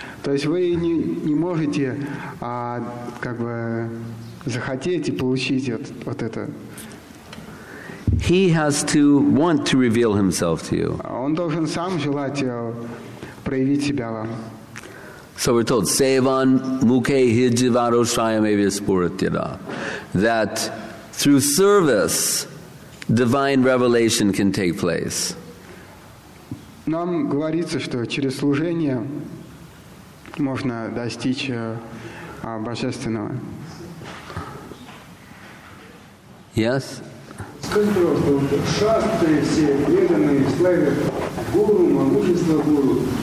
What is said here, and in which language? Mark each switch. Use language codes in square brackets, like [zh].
[ru] То есть вы не можете как бы захотеть и получить вот это. [en] He has to want to reveal Himself to you. [ru] Он должен сам желать проявить себя вам. [en] So we're told, [sa] Sevan Mukhe Hijivaro Shayamevispuratira, [en] that through service divine revelation can take place. [ru] Нам говорится, что через служение можно достичь божественного. [en] Yes? [ru] Скажите, пожалуйста, шастры все преданные славят Гуру, могущество Гуру.